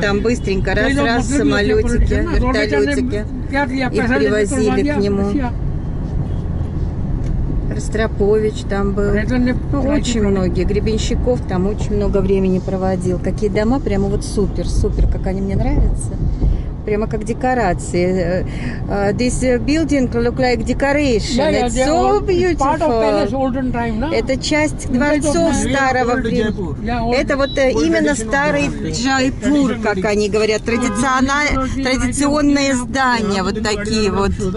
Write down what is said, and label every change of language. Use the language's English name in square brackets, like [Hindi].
[Russian] Там быстренько раз-раз самолетики, вертолетики. Их привозили к нему. Ростропович там был. Очень многие. Гребенщиков там очень много времени проводил. Какие дома, прямо вот супер, как они мне нравятся. прямо как декорации. [English] This building look like decoration. Yeah, it's so beautiful. Time, no? [Russian] Это часть дворцов старого времени. Это вот именно старый Джайпур, как они говорят, традиционные здания, вот такие вот.